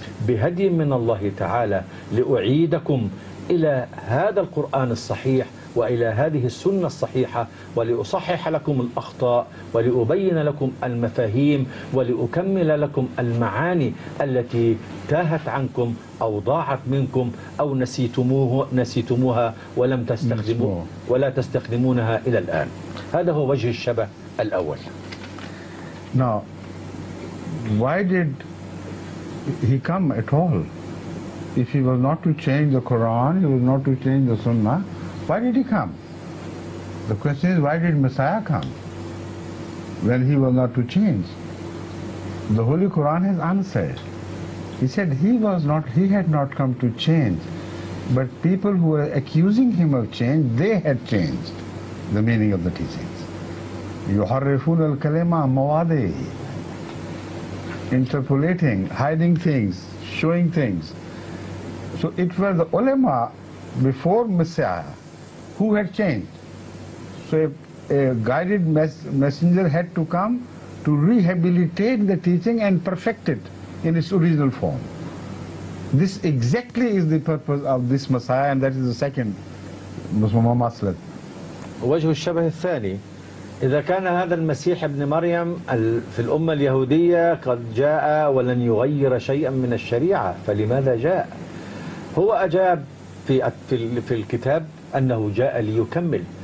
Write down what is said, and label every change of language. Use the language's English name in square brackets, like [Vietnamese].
[Arabic] بهدي من الله تعالى لأعيدكم إلى هذا القرآن الصحيح وإلى هذه السنة الصحيحة، ولأصحح لكم الأخطاء، ولأبين لكم المفاهيم، ولأكمل لكم المعاني التي تاهت عنكم أو ضاعت منكم أو نسيتموها ولم تستخدموا ولا تستخدمونها إلى الآن. هذا هو وجه الشبه الأول. [English] Now, why did he come at all? If he was not to change the Quran, he was not to change the Sunnah, why did he come? The question is, why did Messiah come? when he was not to change. The Holy Quran has answered. He said he had not come to change, but people who were accusing him of change, they had changed the meaning of the teachings. [Arabic] يُحَرِّفُونَ الْكَلِمَ مَوَادِهِ, [English] interpolating, hiding things, showing things. So it was the ulema before Messiah who had changed. So a guided messenger had to come to rehabilitate the teaching and perfect it in its original form. This exactly is the purpose of this Messiah, and that is the second Muslim Maslat. [Arabic] وجه الشبه الثاني إذا كان هذا المسيح ابن مريم في الأمة اليهودية قد جاء ولن يغير شيئا من الشريعة فلماذا جاء؟ هو أجاب في الكتاب أنه جاء ليكمل.